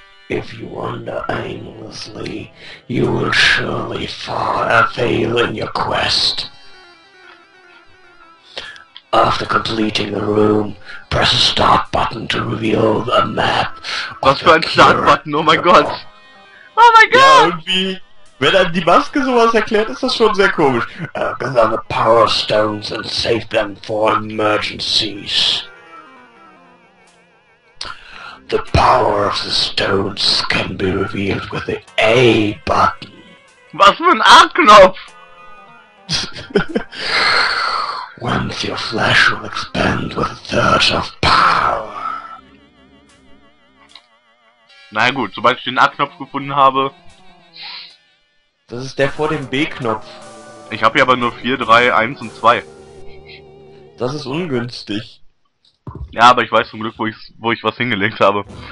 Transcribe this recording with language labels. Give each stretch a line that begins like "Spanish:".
English: If you wander aimlessly, you will surely fail in your quest. After completing the room, press a start button to reveal the map.
German: Was für ein Start button, oh mein Gott! Oh mein Gott! Ja, und wie? Wenn dann die Maske sowas erklärt, ist das schon sehr komisch.
English: Gather the power stones and save them for emergencies. The power of the stones can be revealed with the A button.
German: Was für ein A-Knopf!
English: Once your flesh will expand with a third of power.
German: Na gut, sobald ich den A-Knopf gefunden habe. Das ist der vor dem B-Knopf. Ich habe hier aber nur 4, 3, 1 und 2. Das ist ungünstig. Ja, aber ich weiß zum Glück, wo ich was hingelegt habe.